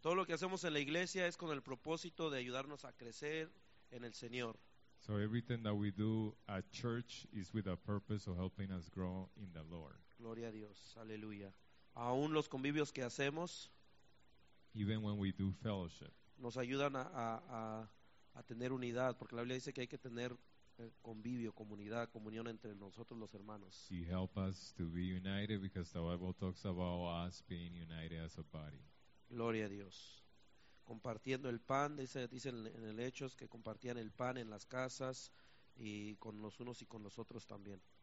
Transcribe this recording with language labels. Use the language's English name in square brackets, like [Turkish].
[Spanish] Todo lo que hacemos en la iglesia es con el propósito de ayudarnos a crecer en el Señor. [English] So everything that we do at church is with a purpose of helping us grow in the Lord. [Spanish] Gloria a Dios. Aleluya. Aún los convivios que hacemos, [English] even when we do fellowship, [Spanish] nos ayudan a tener unidad, porque la Biblia dice que hay que tener convivio, comunidad, comunión entre nosotros los hermanos. [English] He help us to be united because the Bible talks about us being united as a body. [Spanish] Gloria a Dios. Compartiendo el pan, dice en el Hechos que compartían el pan en las casas y con los unos y con los otros también.